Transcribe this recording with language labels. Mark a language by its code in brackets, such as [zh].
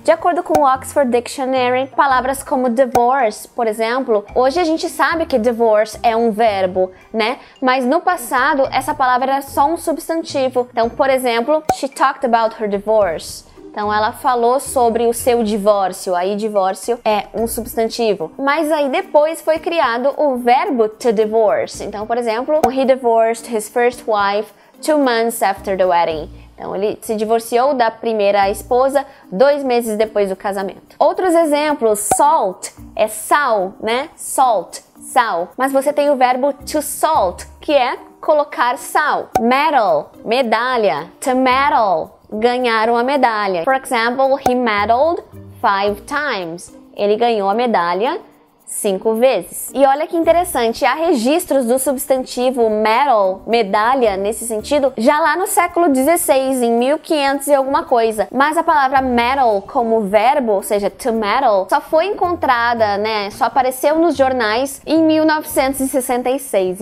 [pt] De acordo com o Oxford Dictionary, palavras como divorce, por exemplo, hoje a gente sabe que divorce é um verbo, né? Mas no passado, essa palavra era só um substantivo. Então, por exemplo, [en] she talked about her divorce. [pt] Então ela falou sobre o seu divórcio, aí divórcio é um substantivo. Mas aí depois foi criado o verbo to divorce. Então, por exemplo, [en] he divorced his first wife 2 months after the wedding. [pt] Então ele se divorciou da primeira esposa 2 meses depois do casamento. Outros exemplos, salt é sal, né? Salt, sal. Mas você tem o verbo to salt, que é colocar sal. Medal, medalha, to medal. Ganharam a medalha. [en] For example, he medaled 5 times. [pt] Ele ganhou a medalha 5 vezes. E olha que interessante, há registros do substantivo medal, medalha, nesse sentido, já lá no século XVI, em 1500 e alguma coisa. Mas a palavra medal como verbo, ou seja, to medal, só foi encontrada, né, só apareceu nos jornais em 1966.